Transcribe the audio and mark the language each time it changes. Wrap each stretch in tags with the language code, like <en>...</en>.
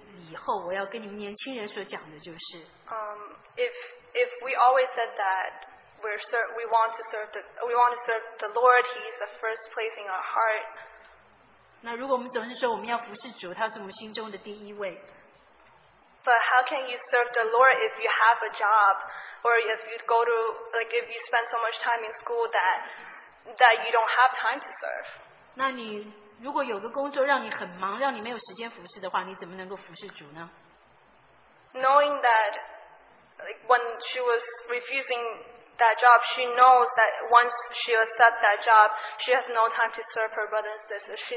<zh>那所以他就说，在那个经历以后，我要跟你们年轻人所讲的就是。</zh> <en>If we always said that we want to serve the Lord, He's the first place in our heart.</en> <zh>那如果我们总是说我们要服侍主，他是我们心中的第一位。</zh> <en>But how can you serve the Lord if you have a job, or if you go to, like, if you spend so much time in school that you don't have time to serve?</en> <zh>那你如果有个工作让你很忙，让你没有时间服侍的话，你怎么能够服侍主呢？</zh> <en>Knowing that, like, when she was refusing that job, she knows that once she accepts that job, she has no time to serve her brothers and sisters.</en>